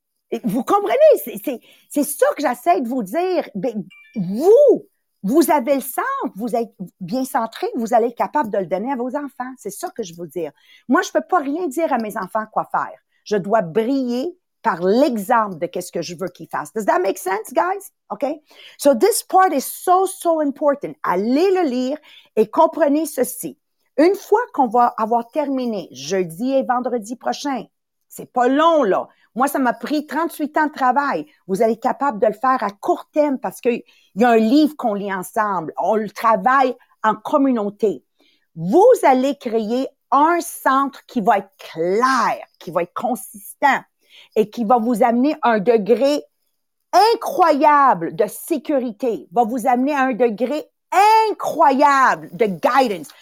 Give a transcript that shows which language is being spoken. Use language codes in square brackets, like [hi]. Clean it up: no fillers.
[fr] Et vous comprenez? C'est ça que j'essaie de vous dire. Ben, vous avez le centre, vous êtes bien centré, vous allez être capable de le donner à vos enfants. C'est ça que je veux dire. Moi, je peux pas rien dire à mes enfants quoi faire. Je dois briller par l'exemple de qu'est-ce que je veux qu'ils fassent. [en] Does that make sense, guys? Okay? So this part is so, so important. [fr] Allez le lire et comprenez ceci. Une fois qu'on va avoir terminé jeudi et vendredi prochain, c'est pas long, là. Moi, ça m'a pris 38 ans de travail. Vous allez être capable de le faire à court terme parce qu'il y a un livre qu'on lit ensemble. On le travaille en communauté. Vous allez créer un centre qui va être clair, qui va être consistant, et qui va vous amener un degré incroyable de sécurité, va vous amener à un degré incroyable de guidance.